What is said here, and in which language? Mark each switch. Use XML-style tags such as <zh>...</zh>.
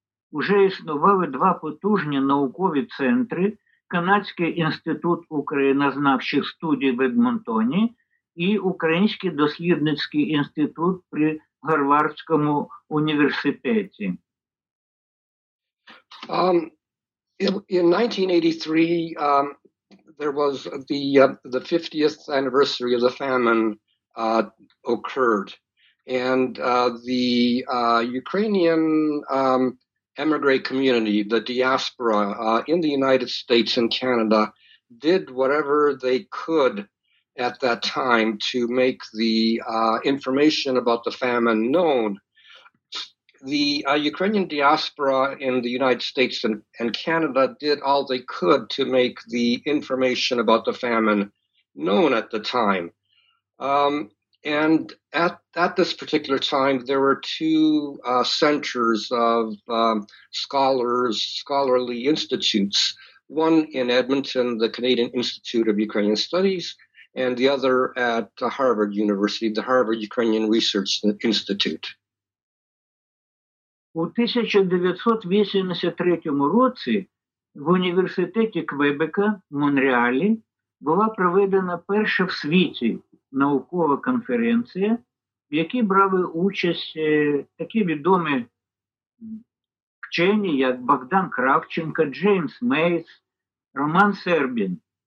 <uk>Уже існували два потужні наукові центри – Канадський інститут українознавчих студій в Едмонтоні і Український дослідницький інститут при Гарвардському університеті.</uk> <en>In 1983, there was the 50th anniversary of the famine occurred, and the Ukrainian emigre community, the diaspora in the United States and Canada, did whatever they could at that time to make the information about the famine known. The Ukrainian diaspora in the United States and Canada did all they could to make the information about the famine known at the time. And at this particular time, there were two centers of scholarly institutes, one in Edmonton, the Canadian Institute of Ukrainian Studies, and the other at Harvard University, the Harvard Ukrainian Research Institute.</en> <uk>У 1983 році в університеті Квебека в Монреалі була проведена перша в світі наукова конференція, в якій брали участь такі відомі вчені, як Богдан Кравченко, Джеймс Мейс, Роман Сербін.</uk>